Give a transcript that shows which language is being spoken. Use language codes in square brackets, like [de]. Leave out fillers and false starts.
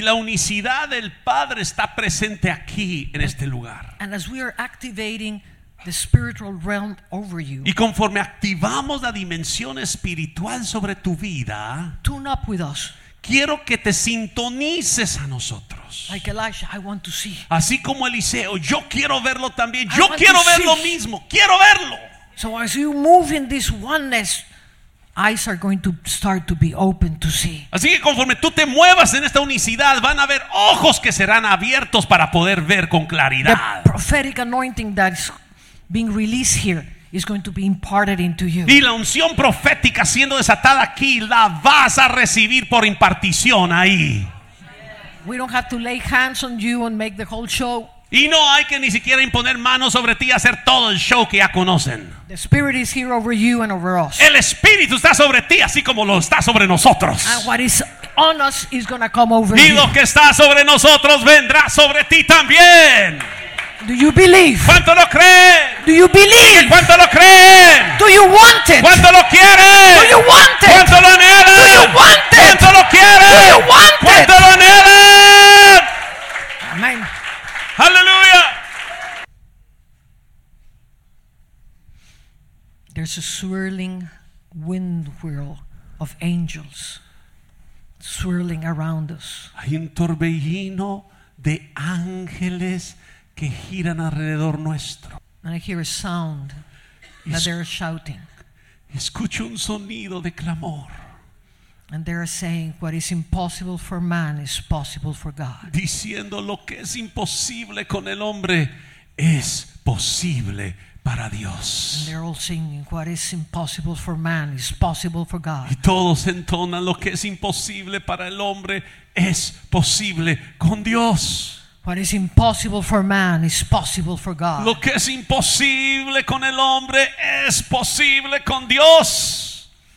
[es] La unicidad del Padre está presente aquí en este lugar. [en] And as we are activating the spiritual realm over you, [es] y conforme activamos la dimensión espiritual sobre tu vida, [en] tune up with us. [es] Quiero que te sintonices a nosotros. [en] Like Elijah, I want to see. [es] Así como Eliseo, yo quiero verlo también. Yo quiero ver lo mismo. Quiero verlo. [en] So as you move in this oneness, eyes are going to start to be open to see. [es] Así que conforme tú te muevas en esta unicidad, van a haber ojos que serán abiertos para poder ver con claridad. [en] The prophetic anointing that is being released here is going to be imparted into you. [es] Y la unción profética siendo desatada aquí, la vas a recibir por impartición ahí. [en] We don't have to lay hands on you and make the whole show. [es] Y no hay que ni siquiera imponer manos sobre ti y hacer todo el show que ya conocen. [en] The Spirit is here over you and over us. [es] El Espíritu está sobre ti así como lo está sobre nosotros. [en] And what is on us is going to come over [es] y [en] you. [es] Y lo que está sobre nosotros vendrá sobre ti también. [en] Do you believe? [es] ¿Cuánto lo creen? [en] Do you believe? [es] ¿Cuánto lo creen? [en] Do you want it? [es] ¿Cuánto lo quieren? [en] Do you want it? [es] ¿Cuánto lo anhelan? [en] Do you want it? [es] ¿Cuánto lo quieren? [en] Do you want it? [es] ¿Cuánto lo anhelan? Amen. Hallelujah. [en] There's a swirling wind whirl of angels swirling around us. [es] Hay un torbellino de ángeles que giran alrededor nuestro. [en] And I hear a sound that they're shouting. [es] Escucho un sonido de clamor. [en] And they are saying, "What is impossible for man is possible for God." [es] Diciendo lo que es imposible con el hombre es posible para Dios. [en] And they're all singing, "What is impossible for man is possible for God." [es] Y todos entonan lo que es imposible para el hombre es posible con Dios. [en] What is impossible for man is possible for God. [es] Lo que es imposible con el hombre es posible con Dios.